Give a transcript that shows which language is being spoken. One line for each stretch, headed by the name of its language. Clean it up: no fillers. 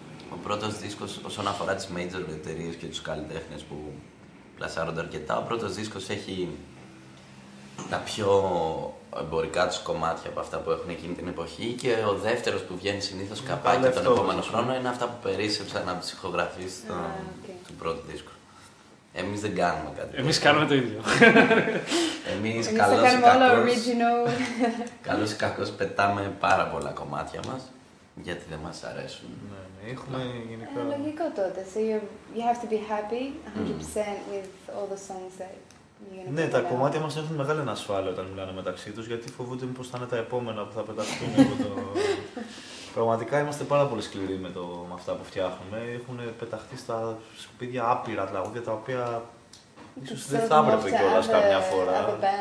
Greek: Ο πρώτος δίσκος, όσον αφορά τις major εταιρείες και τους καλλιτέχνες που πλασάρονται αρκετά, ο πρώτος δίσκος έχει τα πιο εμπορικά τους κομμάτια από αυτά που έχουν εκείνη την εποχή και ο δεύτερος που βγαίνει συνήθως καπάκι τον επόμενο χρόνο είναι αυτά που περίσσεψαν από τις ηχογραφίες του πρώτου δίσκου. Εμείς δεν κάνουμε κάτι. Εμείς κάνουμε το ίδιο. Εμείς καλώς ή κακώς, καλώς ή κακώς πετάμε πάρα πολλά κομμάτια μας. Γιατί δεν μας αρέσουν. Ναι, έχουμε γενικά... Λογικό τότε.
English: So you have to be happy 100% with all the songs that you're gonna.
Greek: Ναι, τα κομμάτια μας έχουν μεγάλη ανασφάλεια όταν μιλάνε μεταξύ τους, γιατί φοβούνται μήπως θα είναι τα επόμενα που θα πεταχτούν. Πραγματικά είμαστε πάρα πολύ σκληροί με αυτά που φτιάχνουμε. Έχουν πεταχτεί στα σκουπίδια άπειρα τραγούδια, τα οποία ίσως δεν θα έπρεπε κιόλας καμιά φορά.